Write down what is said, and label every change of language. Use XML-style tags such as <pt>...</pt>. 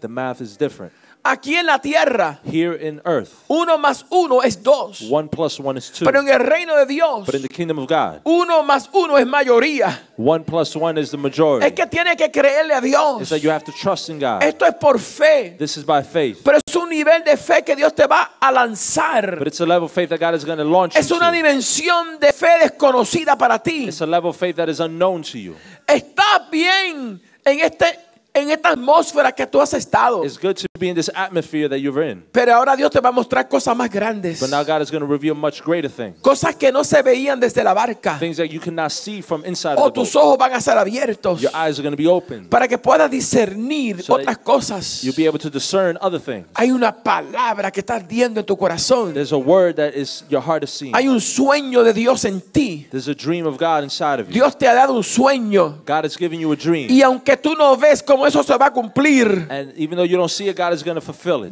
<en>The math is different.</en> <es>Aquí en la tierra.</es> <en>Here in earth.</en> <es>Uno más uno es dos.</es> <en>One plus one is two.</en> <es>Pero en el reino de Dios.</es> <en>But in the kingdom of God.</en> <es>Uno más uno es mayoría.</es> <en>One plus one is the majority.</en> <es>Es que tiene que creerle a Dios.</es> <en>It's that you have to trust in God.</en> <es>Esto es por fe.</es> <en>This is by faith.</en> <es>Pero es un nivel de fe que Dios te va a lanzar.</es> <en>But it's a level of faith that God is going to launch</en> <es>es una</es> <en>into.</en> <es>Dimensión de fe desconocida para ti.</es> <en>It's a level of faith that is unknown to you.</en> <es>Estás bien en este en esta atmósfera que tú has estado.</es> <en>It's good to be in this atmosphere that you're in.</en> <es>Pero ahora Dios te va a mostrar cosas más grandes.</es> <en>But now God is going to reveal much greater things.</en> <es>Cosas que no se veían desde la barca.</es> <en>Things that you cannot see from inside the boat.</en> <es>O tus ojos van a ser abiertos.</es> <en>Your eyes are going to be opened.</en> <es>Para que puedas discernir</es> <en>so</en> <es>otras cosas.</es> <en>You'll be able to discern other things.</en> <es>Hay una palabra que está ardiendo en tu corazón.</es> <en>There's a word that is your heart is seeing.</en> <es>Hay un sueño de Dios en ti.</es> <en>There's a dream of God inside of you.</en> <es>Dios te ha dado un sueño.</es> <en>God has given you a dream.</en> <es>Y aunque tú no ves cómo eso se va a cumplir.</es> <en>And even though you don't see it, God is going to fulfill it.</en>